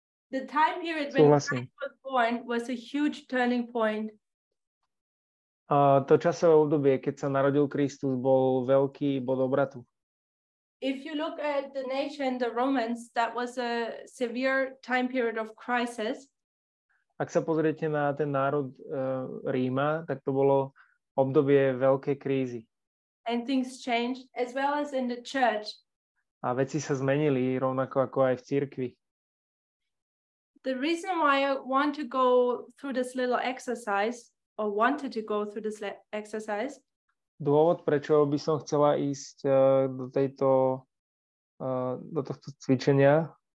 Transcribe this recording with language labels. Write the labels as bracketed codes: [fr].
[en] The time period when Christ was born was a huge turning point. [sk] To časové obdobie, keď sa narodil Kristus, bol veľký bod obratu. [en] If you look at the nation, the Romans, that was a severe time period of crisis. [sk] Ak sa pozriete na ten národ Ríma, tak to bolo obdobie veľkej krízy. [en] And things changed as well as in the church. [sk] A veci sa zmenili rovnako ako aj v cirkvi. [en] The reason why I want to go through this little exercise or wanted to go through this exercise. [sk] Dôvod, prečo by som chcela ísť do tohto cvičenia.